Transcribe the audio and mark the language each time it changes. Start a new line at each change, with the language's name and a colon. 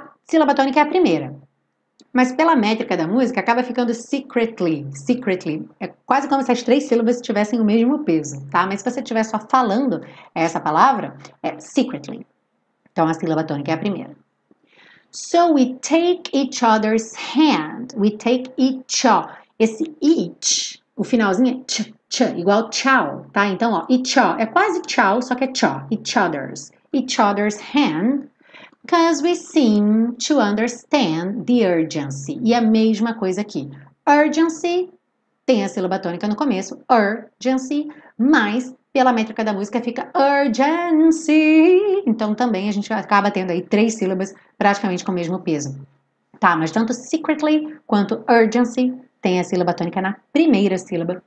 Portuguese: Sílaba tônica é a primeira. Mas pela métrica da música, acaba ficando secretly, secretly. É quase como se as três sílabas tivessem o mesmo peso, tá? Mas se você estiver só falando essa palavra, é secretly. Então, a sílaba tônica é a primeira.
English: So, we take each other's hand. We take each other.
Portuguese: Esse each, o finalzinho é ch, ch, igual tchau, tá? Então, ó,
English: each other.
Portuguese: É quase tchau, só que é tchau.
English: Each other's. Each other's hand. Because we seem to understand the urgency.
Portuguese: E a mesma coisa aqui. Urgency tem a sílaba tônica no começo. Urgency. Mas, pela métrica da música, fica urgency. Então, também, a gente acaba tendo aí três sílabas praticamente com o mesmo peso. Tá? Mas tanto secretly quanto urgency tem a sílaba tônica na primeira sílaba.